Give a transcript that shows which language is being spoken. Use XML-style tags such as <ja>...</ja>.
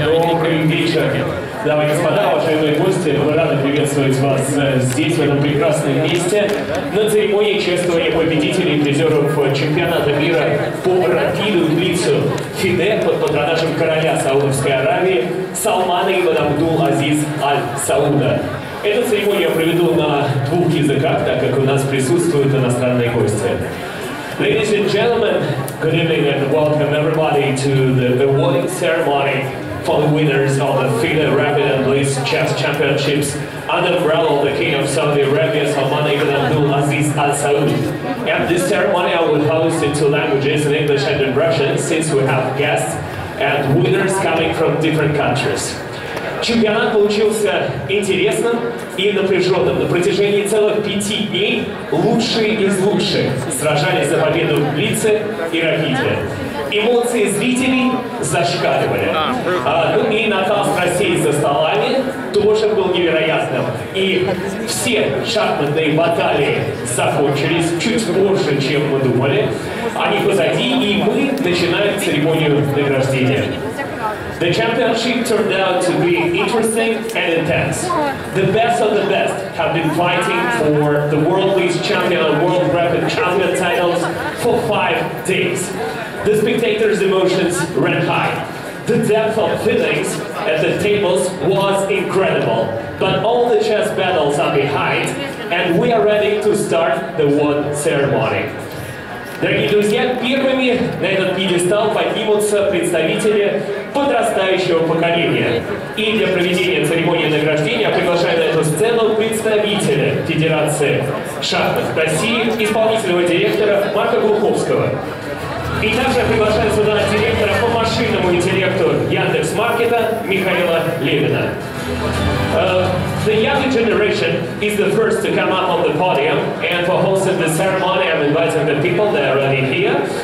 <ru>Добрый вечер, дамы и господа, уважаемые гости. Мы рады приветствовать вас здесь, в этом прекрасном месте, на церемонии чествования победителей и призеров чемпионата мира по рапиду Блицу Фиде под патронажем короля Саудовской Аравии Салмана ибн Абдул-Азиз Аль-Сауда. Эту церемонию я проведу на двух языках, так как у нас присутствуют иностранные гости.</ru> <en>Ladies and gentlemen, good evening and welcome everybody to the awarding ceremony for the winners of the FIDE Rapid and Blitz Chess Championships under the umbrella of the King of Saudi Arabia, Salman ibn Abdul Aziz Al Saud. And this ceremony I will host in two languages, in English and in Russian, since we have guests and winners coming from different countries.</en> <ru>Чемпионат получился интересным и напряженным. На протяжении целых пяти дней лучшие из лучших сражались за победу в Блице и Рапиде. Эмоции зрителей зашкаливали. Ну и накал страстей за столами тоже был невероятным. И все шахматные баталии закончились чуть позже, чем мы думали. Они позади, и мы начинаем церемонию награждения.</ru> <en>The championship turned out to be interesting and intense. The best of the best have been fighting for the World League Champion and World Rapid Champion titles for 5 days. The spectators' emotions ran high. The depth of feelings at the tables was incredible. But all the chess battles are behind, and we are ready to start the award ceremony.</en> <ru>Дорогие друзья, первыми на этот пьедестал поднимутся представители подрастающего поколения. И для проведения церемонии награждения приглашаю на эту сцену представителя Федерации шахмат России, исполнительного директора Марка Глуховского. И также приглашаю сюда директора по машинному интеллекту Яндекс.Маркета Михаила Левина.</ru> <en>The younger generation is the first to come up on the podium, and for hosting the ceremony, I'm inviting the people that are already here.</en>